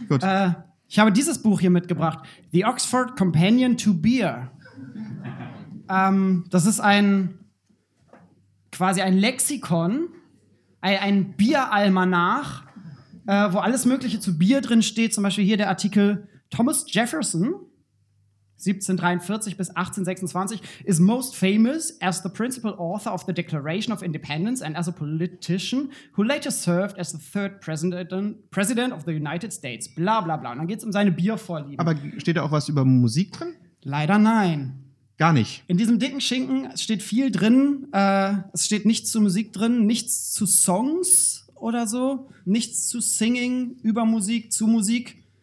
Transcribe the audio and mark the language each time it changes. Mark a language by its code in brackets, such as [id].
[de] Gut. Ich habe dieses Buch hier mitgebracht. The Oxford Companion to Beer. Das ist quasi ein Lexikon, ein Bieralmanach, wo alles Mögliche zu Bier drin steht. Zum Beispiel hier der Artikel [en] Thomas Jefferson, 1743 [de] bis [en] 1826, is most famous as the principal author of the Declaration of Independence and as a politician who later served as the third president of the United States. [de] Bla bla bla. Und dann geht es um seine Biervorlieben. Aber steht da auch was über Musik drin? Leider nein. Gar nicht. In diesem dicken Schinken steht viel drin. Es steht nichts zu Musik drin, nichts zu Songs oder so, nichts zu Singing über Musik, zu Musik.